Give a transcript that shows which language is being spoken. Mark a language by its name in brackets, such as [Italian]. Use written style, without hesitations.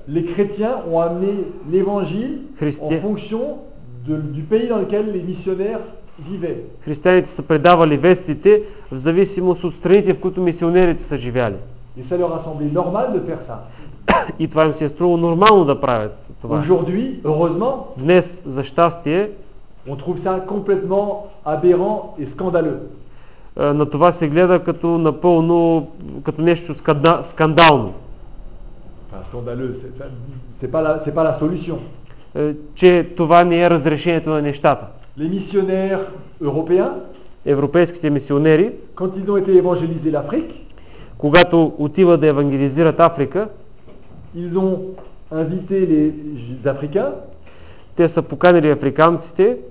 [French] les chrétiens ont amené l'évangile en fonction du pays dans lequel les missionnaires vivaient. [Bulgarian] Християните са предавали вестите в зависимост от страните, в които мисионерите са живяли. [French] Et ça leur a semblé normal de faire ça. [Bulgarian] И това им се е струвало нормално да правят това. [French] Aujourd'hui, heureusement, [Bulgarian] днес, за щастие, [French] on trouve ça complètement aberrant et scandaleux. [Bulgarian] На това се гледа като напълно, като нещо скандално. [French] Enfin, scandaleux, c'est pas la solution. [Bulgarian] Че това не е разрешението на нещата. [French] Les missionnaires européens, [Bulgarian] европейските мисионери, [French] quand ils ont été évangélisés l'Afrique, [Bulgarian] когато отиват да евангелизират Африка, [French] ils ont invité les Africains, [Bulgarian] те са поканили африканците,